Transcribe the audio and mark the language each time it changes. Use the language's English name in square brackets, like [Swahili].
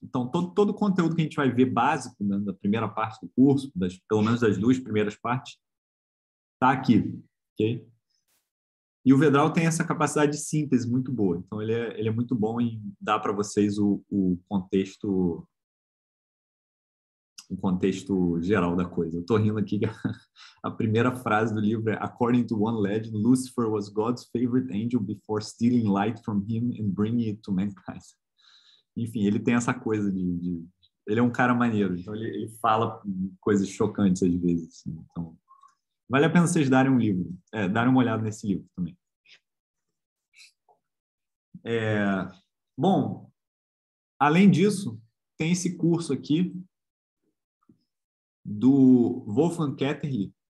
[Portuguese] Então, todo o conteúdo que a gente vai ver básico, né, da primeira parte do curso, pelo menos das duas primeiras partes, está aqui. Okay. E o Vedral tem essa capacidade de síntese muito boa. Então, ele é muito bom em dar para vocês o contexto geral da coisa. Eu estou rindo aqui. A primeira frase do livro é: [English] According to one legend, Lucifer was God's favorite angel before stealing light from him and bringing it to mankind. [Portuguese] Enfim, ele tem essa coisa de ele é um cara maneiro. Então, ele fala coisas chocantes às vezes. Assim, então, vale a pena vocês darem uma olhada nesse livro também. Bom, além disso, tem esse curso aqui do Wolfgang Ketterle.